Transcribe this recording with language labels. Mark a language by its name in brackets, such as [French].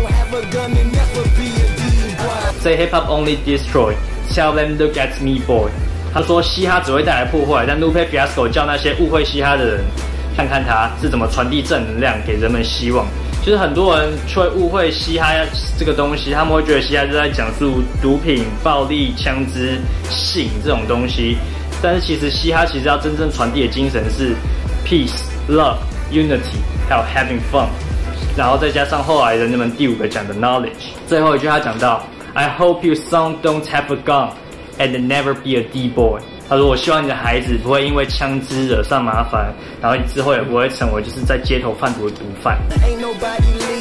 [English] Say hip hop only destroy, tell them look at me, boy. [Chinese] 他说嘻哈只会带来破坏，但 Lupe Fiasco 叫那些误会嘻哈的人，看看他是怎么传递正能量，给人们希望。其实很多人会误会嘻哈这个东西，他们会觉得嘻哈就在讲述毒品、暴力、枪支、性这种东西。但是其实嘻哈其实要真正传递的精神是 [English] peace, love, unity, [Chinese] 还有 [English] having fun。 [Chinese] 然后再加上后来人们第五个讲的 knowledge。最后一句他讲到 ， [English] I hope your son don't have a gun and never be a D boy。 [Chinese] 他说：“我希望你的孩子不会因为枪支惹上麻烦，然后你之后也不会成为就是在街头贩毒的毒贩。”